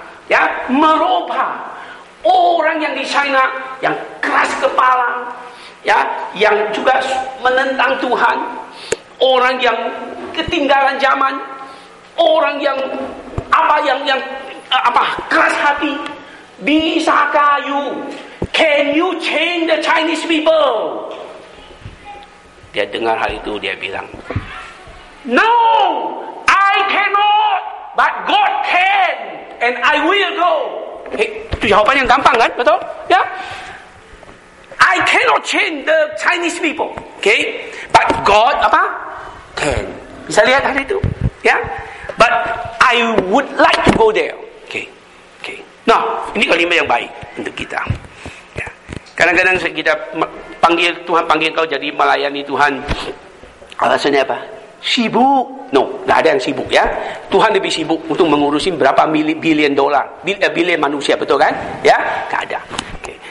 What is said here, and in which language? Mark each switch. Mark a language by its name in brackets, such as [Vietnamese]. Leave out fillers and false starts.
[Indonesian] Ya, meropa orang yang di China yang keras kepala, ya, yang juga menentang Tuhan, orang yang ketinggalan zaman, orang yang apa yang apa keras hati, [English] bisakah you? Can you change the Chinese people?" [Indonesian] Dia dengar hal itu, dia bilang, [English] "No, I cannot, but God can, and I will go." [Indonesian] Itu jawaban yang gampang kan, betul? Ya. [English] "I cannot change the Chinese people, okay? But God apa? Can." [Indonesian] Bisa lihat hari itu, ya? [English] "But I would like to go there, okay? Okay. [Indonesian] Nah, ini kalimat yang baik untuk kita. Ya. Kadang-kadang kita panggil Tuhan, panggil kau jadi melayani Tuhan. Alasannya apa? Sibuk. No, tidak ada yang sibuk ya. Tuhan lebih sibuk untuk mengurusin berapa bilion dolar, bilion manusia, betul kan? Ya, tidak ada. Okay.